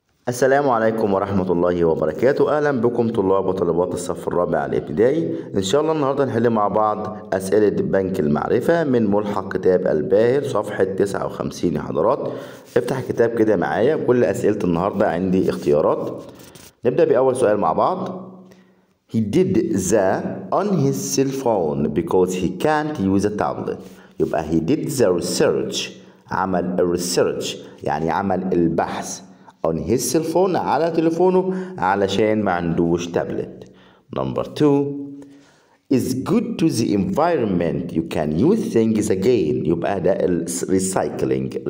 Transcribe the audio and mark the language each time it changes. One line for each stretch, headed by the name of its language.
Arabic: السلام عليكم ورحمة الله وبركاته. أهلا بكم طلاب وطالبات الصف الرابع الابتدائي. إن شاء الله النهاردة نحل مع بعض أسئلة بنك المعرفة من ملحق كتاب الباهر صفحة 59. يا حضرات افتح الكتاب كده معايا. كل أسئلة النهاردة عندي اختيارات. نبدأ بأول سؤال مع بعض.
English: He did the on his cell phone because he can't use a tablet.
Arabic: يبقى
English: he did the research.
Arabic: عمل research يعني عمل البحث.
English: On his cell phone
Arabic: على تليفونه علشان ما عندوش تابلت.
English: Number two, is good to the environment. You can use things again.
Arabic: يبقى ده
English: recycling.